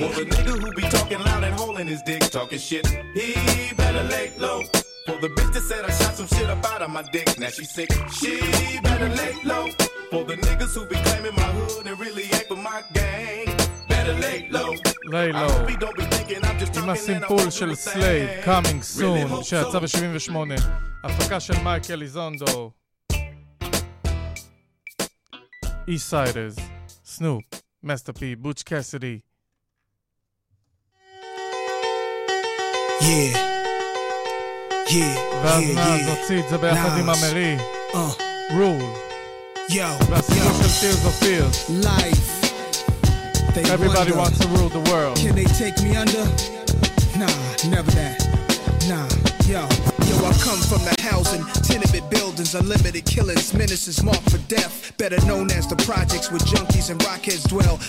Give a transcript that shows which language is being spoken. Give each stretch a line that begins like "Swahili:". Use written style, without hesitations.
English: Well, the nigga who be talking loud and holding his dick, talking shit, he better lay low. For the bitch that said I shot some shit up out of my dick, now she sick, she better lay low. For the niggas who be claiming my hood and really ain't for my gang, better lay low. Lay low.
Hebrew: עם הסימפול של סלייד, קאמינג סון, שיצא ב-78, הפקה של מייקל איזונדו, איסיידרס, סנופ, מאסטר פי, בוטש קאסידי. ואז נאז הוציא את זה ביחד עם אמרי, רול, והסימפול של טירס אוף טירס.
English: They Everybody wonder, wants to rule the world. Can they take me under? Nah, never that. Nah, yo. Yo, I come from the housing, tenement buildings, unlimited killings, menaces marked for death, better known as the projects where junkies and rockheads dwell.